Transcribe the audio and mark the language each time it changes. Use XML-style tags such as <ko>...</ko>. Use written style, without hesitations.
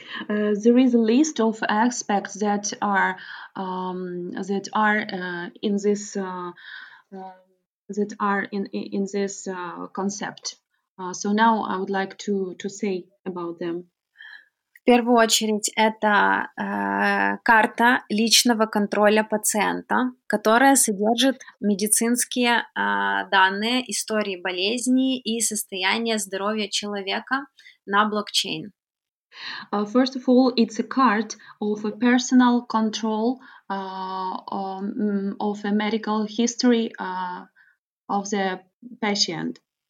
<en>There is a list of aspects that are in this that are in this concept. So now I would like to say about them.</en> <ru>В первую очередь это карта личного контроля пациента, которая содержит медицинские данные, истории болезней и состояние здоровья человека на блокчейн.</ru> <en>First of all, it's a card of a personal control of a medical history of the patient.</en>